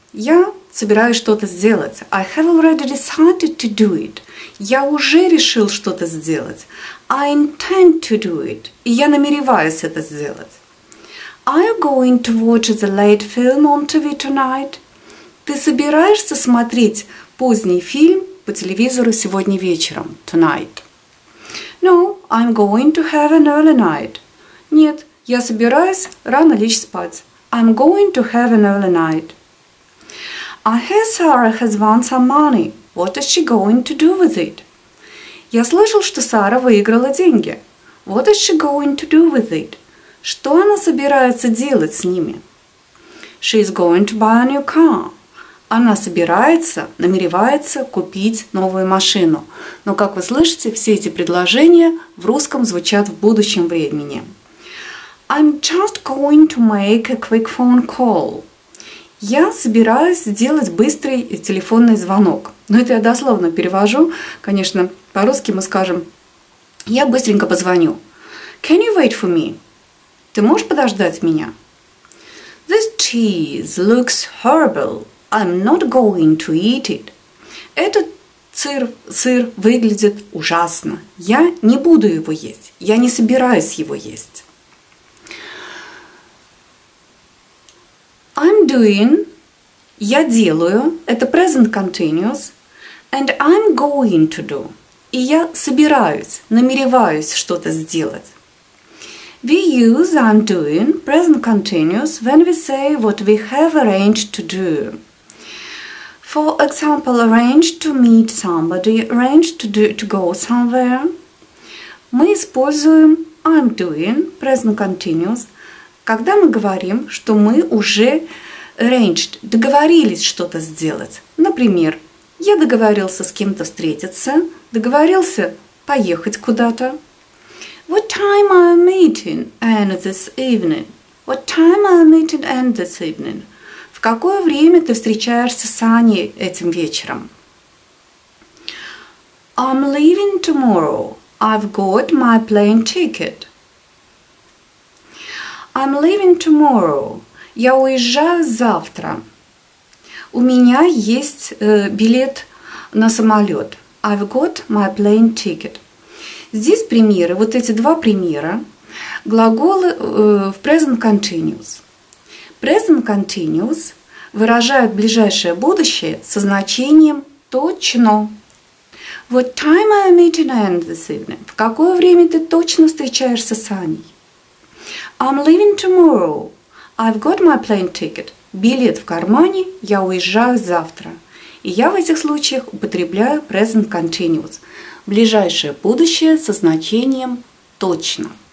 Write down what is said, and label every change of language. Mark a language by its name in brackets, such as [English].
[Russian] Я собираюсь что-то сделать. [English] I have already decided to do it. [Russian] Я уже решил что-то сделать. [English] I intend to do it. [Russian] И я намереваюсь это сделать. [English] Are you going to watch the late film on TV tonight? [Russian] Ты собираешься смотреть поздний фильм по телевизору сегодня вечером? [English] Tonight. No, I'm going to have an early night. [Russian] Нет, я собираюсь рано лечь спать. [English] I'm going to have an early night. I hear Sarah has won some money. What is she going to do with it? [Russian] Я слышал, что Сара выиграла деньги. [English] What is she going to do with it? [Russian] Что она собирается делать с ними? [English] She is going to buy a new car. [Russian] Она собирается, намеревается купить новую машину. Но, как вы слышите, все эти предложения в русском звучат в будущем времени. [English] I'm just going to make a quick phone call. [Russian] Я собираюсь сделать быстрый телефонный звонок. Но это я дословно перевожу. Конечно, по-русски мы скажем, я быстренько позвоню. [English] Can you wait for me? [Russian] Ты можешь подождать меня? [English] This cheese looks horrible. I'm not going to eat it. [Russian] Этот сыр выглядит ужасно. Я не буду его есть. Я не собираюсь его есть. [English] I'm doing, [Russian] я делаю, это present continuous, [English] and I'm going to do, [Russian] и я собираюсь, намереваюсь что-то сделать. [English] We use I'm doing, present continuous, when we say what we have arranged to do. For example, arranged to meet somebody, arranged to, do, to go somewhere. [Russian] Мы используем [English] I'm doing, [Russian] present continuous, когда мы говорим, что мы уже arranged, договорились что-то сделать. Например, я договорился с кем-то встретиться, договорился поехать куда-то. [English] What time are you meeting Anne this evening? What time are you meeting Anne this evening? [Russian] В какое время ты встречаешься с Аней этим вечером? [English] I'm leaving tomorrow. I've got my plane ticket. I'm leaving tomorrow. [Russian] Я уезжаю завтра. У меня есть билет на самолет. [English] I've got my plane ticket. [Russian] Здесь примеры, вот эти два примера. Глаголы в present continuous. Present continuous выражает ближайшее будущее со значением точно. [English] What time are you meeting Anne this evening? [Russian] В какое время ты точно встречаешься с Аней? [English] I'm leaving tomorrow. I've got my plane ticket. [Russian] Билет в кармане, я уезжаю завтра. И я в этих случаях употребляю present continuous. Ближайшее будущее со значением точно.